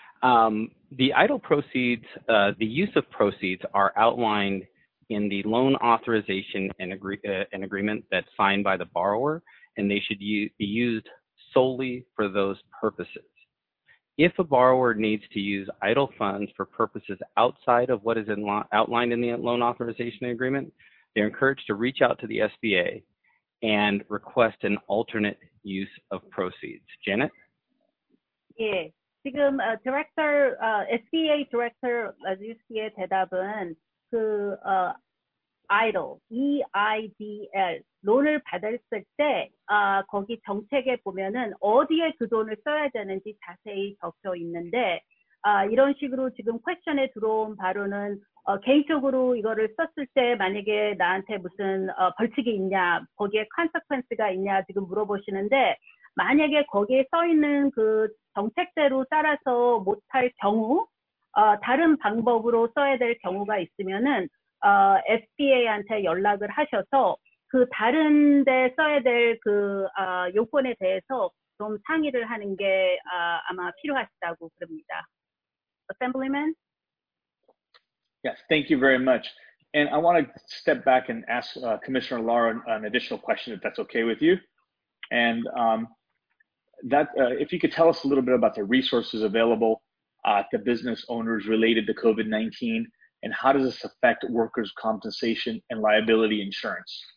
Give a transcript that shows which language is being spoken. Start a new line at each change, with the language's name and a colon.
English: The EIDL proceeds, the use of proceeds are outlined in the loan authorization and an agreement that's signed by the borrower, and they should be used solely for those purposes. If a borrower needs to use EIDL funds for purposes outside of what is outlined in the loan authorization agreement, they're encouraged to reach out to the SBA and request an alternate use of proceeds. Janet? Yeah.
Korean: 지금 SBA 디렉터 라지스키의 대답은 EIDL 론을 받았을 때 거기 정책에 보면은 어디에 그 돈을 써야 되는지 자세히 적혀 있는데 이런 식으로 지금 퀘션에 들어온 바로는 개인적으로 이거를 썼을 때 만약에 나한테 무슨 벌칙이 있냐 거기에 컨세퀀스가 있냐 지금 물어보시는데 만약에 거기에 써 있는 그 정책대로 따라서 못할 경우, 다른 방법으로 써야 될 경우가 있으면은 SBA한테 연락을 하셔서 그 다른 데 써야 될 요건에 대해서 좀 상의를 하는 게 아마 필요하시다고 그럽니다.
English: Assemblyman? Yes, thank you very much. And I want to step back and ask Commissioner Lara an additional question, if that's okay with you. And if you could tell us a little bit about the resources available to business owners related to COVID-19, and how does this affect workers' compensation and liability insurance?